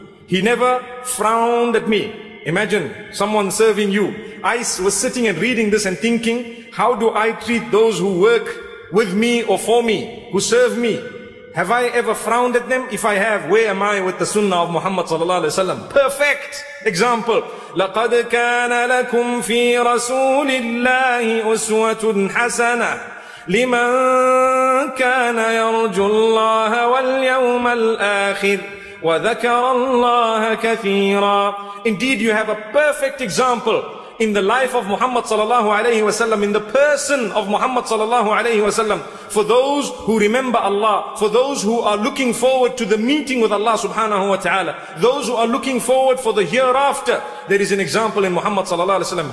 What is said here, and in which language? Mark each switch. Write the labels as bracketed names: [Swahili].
[English] He never frowned at me. Imagine someone serving you. I was sitting and reading this and thinking, how do I treat those who work with me or for me, who serve me? Have I ever frowned at them? If I have, where am I with the sunnah of Muhammad sallallahu alaihi wasallam? Perfect example. [Arabic] لَقَدْ كَانَ لَكُمْ فِي رَسُولِ اللَّهِ أُسْوَةٌ حَسَنَةٌ لِمَنْ كَانَ يَرْجُو اللَّهَ وَالْيَوْمَ الْآخِرِ وَذَكَرَ اللَّهَ كَثِيرًا. [English] Indeed, you have a perfect example. in the life of Muhammad sallallahu alayhi wa sallam, in the person of Muhammad sallallahu alayhi wa sallam, for those who remember Allah, for those who are looking forward to the meeting with Allah subhanahu wa ta'ala, those who are looking forward for the hereafter, there is an example in Muhammad sallallahu alayhi wa sallam.